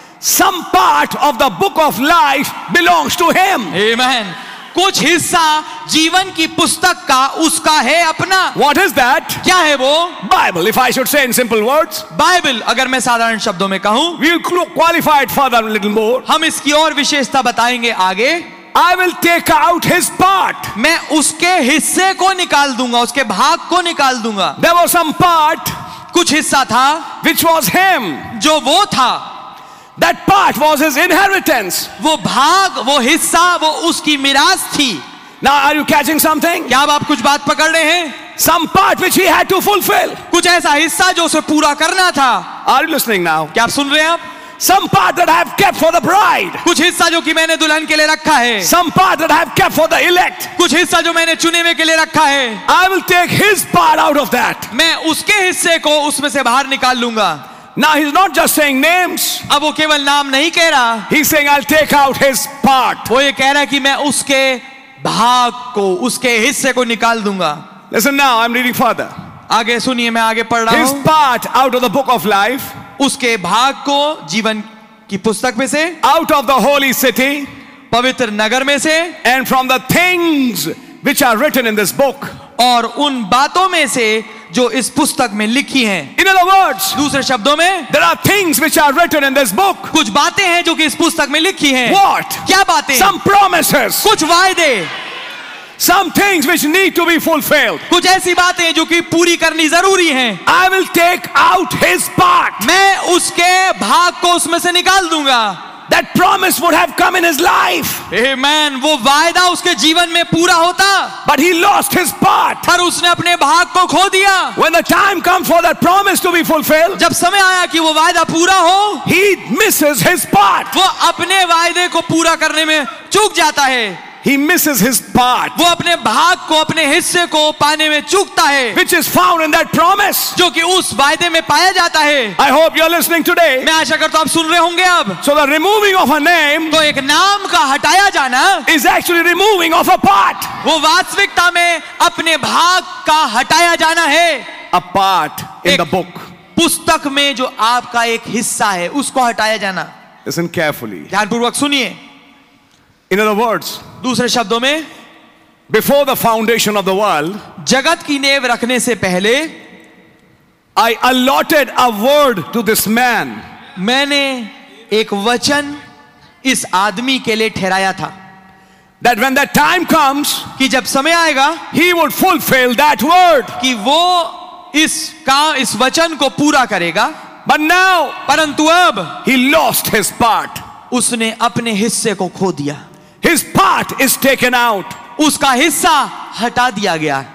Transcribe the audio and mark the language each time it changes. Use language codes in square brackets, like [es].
[en] Some part of the book of life belongs to him. Amen. [hi] कुछ हिस्सा जीवन की पुस्तक का उसका है अपना. [en] What is that? [hi] क्या है वो? [en] Bible, if I should say in simple words. [hi] Bible, अगर मैं साधारण शब्दों में कहूं. [en] We'll qualify it further a little more. [hi] हम इसकी और विशेषता बताएंगे आगे. [en] I will take out his part. [hi] मैं उसके हिस्से को निकाल दूंगा, उसके भाग को निकाल दूंगा. [en] There was some part, [hi] कुछ हिस्सा था. [en] Which was him, [hi] जो वो था. [en] That part was his inheritance. [hi] वो भाग, वो हिस्सा, वो उसकी मिरास थी. [en] Now are you catching something? [hi] क्या आप कुछ बात पकड़ रहे हैं? [en] Some part which he had to fulfill. [hi] कुछ ऐसा हिस्सा जो उसे पूरा करना था. [en] Are you listening now? [hi] क्या आप सुन रहे हैं आप? [en] Some part that I have kept for the bride. [hi] कुछ हिस्सा जो कि मैंने दुल्हन के लिए रखा है. [en] Some part that I have kept for the elect. [hi] कुछ हिस्सा जो मैंने चुने हुए के लिए रखा है. [en] I will take his part out of that. [hi] मैं उसके हिस्से को उसमें से बाहर निकाल लूंगा. [en] Now he's not just saying names. [hi] अब वो केवल नाम नहीं कह रहा. [en] He's saying I'll take out his part. [hi] वो ये कह रहा कि मैं उसके भाग को, उसके हिस्से को निकाल दूंगा. [en] Listen now, I'm reading further. [hi] आगे सुनिए, मैं आगे पढ़ रहा हूँ. [en] His part out of the book of life. [hi] उसके भाग को जीवन की पुस्तक में से. [en] Out of the holy city. [hi] पवित्र नगर में से. [en] And from the things which are written in this book. [hi] और उन बातों में से जो इस पुस्तक में लिखी हैं. [en] In other words, [hi] दूसरे शब्दों में, [en] there are things which are written in this book. [hi] कुछ बातें हैं जो कि इस पुस्तक में लिखी हैं. [en] What? [hi] क्या बातें? [en] Some promises. [hi] कुछ वायदे. [en] Some things which need to be fulfilled. [hi] कुछ ऐसी बातें जो कि पूरी करनी जरूरी हैं. [en] I will take out his part. [hi] मैं उसके भाग को उसमें से निकाल दूंगा. [en] That promise would have come in his life. Amen. [hi] वो वायदा उसके जीवन में पूरा होता. [en] But he lost his part. [hi] पर उसने अपने भाग को खो दिया. [en] When the time comes for that promise to be fulfilled, [hi] जब समय आया कि वो वायदा पूरा हो, [en] he misses his part. [hi] वो अपने वायदे को पूरा करने में चूक जाता है. [en] He misses his part. [hi] वो अपने भाग को अपने हिस्से को पाने में चूकता है. [en] Which is found in that promise. [hi] जो कि उस वायदे में पाया जाता है. [en] I hope you're listening today. [hi] मैं आशा करता हूँ आप सुन रहे होंगे अब. [en] So the removing of a name. [hi] तो एक नाम का हटाया जाना. [en] Is actually removing of a part. [hi] वो वास्तविकता में अपने भाग का हटाया जाना है. [en] A part in the book. [hi] पुस्तक में जो आपका एक हिस्सा है उसको हटाया जाना. [en] Listen carefully. [hi] ध्यानपूर्वक सुनिए. [en] In other words, [hi] दूसरे शब्दों में, [en] before the foundation of the world, [hi] जगत की नेव रखने से पहले, [en] I allotted a word to this man. [hi] मैंने एक वचन इस आदमी के लिए ठहराया था. [en] That when that time comes, [hi] कि जब समय आएगा, [en] he would fulfill that word. [hi] कि वो इस काम इस वचन को पूरा करेगा. [en] But now, [hi] परंतु अब, [en] he lost his part. [hi] उसने अपने हिस्से को खो दिया. [en] His part is taken out. [hi] उसका हिस्सा हटा दिया गया.